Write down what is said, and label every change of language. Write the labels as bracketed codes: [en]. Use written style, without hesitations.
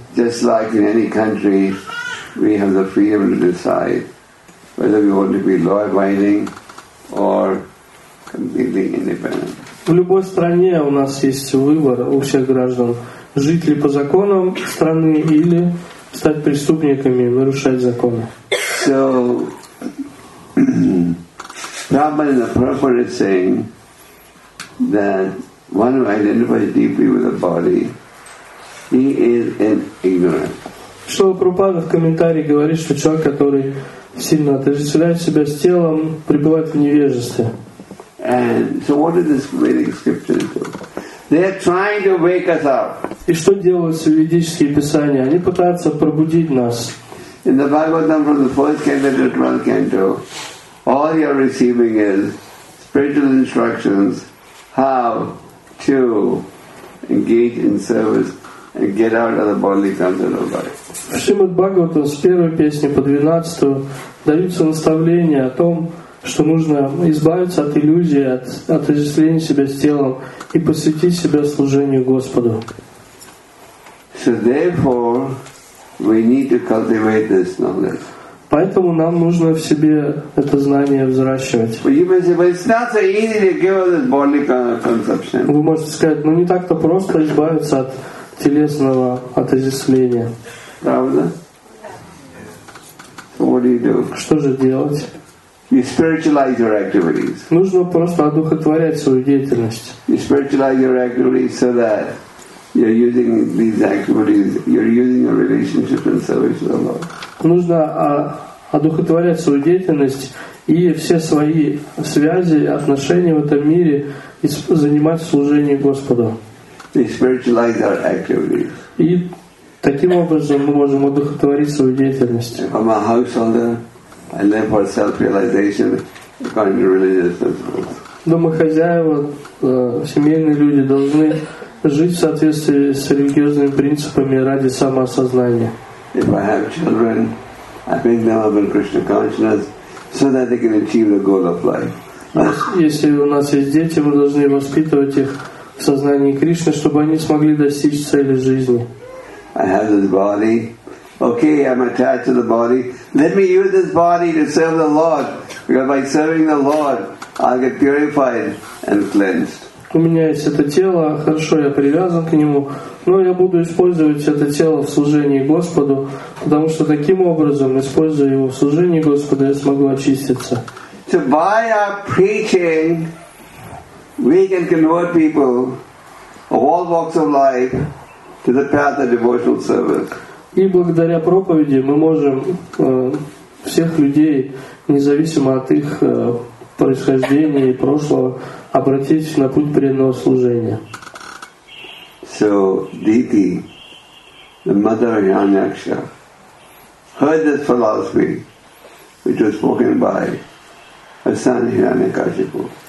[en] Just like in any country, we have the freedom to decide whether we want to be law-abiding or completely independent. [ru] В любой стране у нас есть выбор у всех граждан: жить ли по законам страны или стать преступниками, нарушать законы. [en] So, Prabhupada in the purport is saying that one who identifies deeply with the body, he is an ignorant. [ru] Что Прабхупада в комментарии говорит, что человек, который сильно отождествляет себя с телом, пребывает в невежестве. [en] And so what is this Vedic scripture doing? They're trying to wake us up. [ru] И что делают ведические писания? Они пытаются пробудить нас. [en] In the Bhagavatam from the first canto to 12th canto, all you're receiving is spiritual instructions how to engage in service and get out of the bodily control of body. [ru] Шримад Бхагаватам с первой песни по 12 даются наставления о том, что нужно избавиться от иллюзии, от отождествления себя с телом и посвятить себя служению Господу. [en] So therefore, we need to cultivate this knowledge. [ru] Поэтому нам нужно в себе это знание взращивать. [en] But you may say, but it's not so easy to give up this bodily conception. [ru] Вы можете сказать, ну не так-то просто избавиться от телесного отождествления. Правда? [en] So what do you do? [ru] Что же делать? [en] You spiritualize your activities. [ru] Нужно просто одухотворять свою деятельность. [en] You spiritualize your activities so that you're using these activities, you're using your relationship in service to the Lord. [ru] Нужно одухотворять свою деятельность и все свои связи, отношения в этом мире занимать в служении Господу. [en] We spiritualize our activities. [ru] И таким образом мы можем одухотворить свою деятельность. [en] I'm a householder. I live for self-realization according to religious principles. [ru] Домохозяева, семейные люди должны жить в соответствии с религиозными принципами ради самоосознания. [en] If I have children, I bring them up in Krishna consciousness so that they can achieve the goal of life. [ru] Если у нас есть дети, мы должны воспитывать их в сознании Кришны, чтобы они смогли достичь цели жизни. [en] I have this body. Okay, I'm attached to the body. Let me use this body to serve the Lord. Because by serving the Lord, I'll get purified and cleansed. [ru] У меня есть это тело, хорошо, я привязан к нему, но я буду использовать это тело в служении Господу, потому что таким образом, используя его в служении Господу, я смогу очиститься. [en] So by our preaching, we can convert people of all walks of life to the path of devotional service. [ru] И благодаря проповеди мы можем всех людей, независимо от их происхождения и прошлого, обратить на путь преданного служения. [en] So Diti, the mother of Hiranyaksha, heard this philosophy, which was spoken by her son Hiranyakashipu.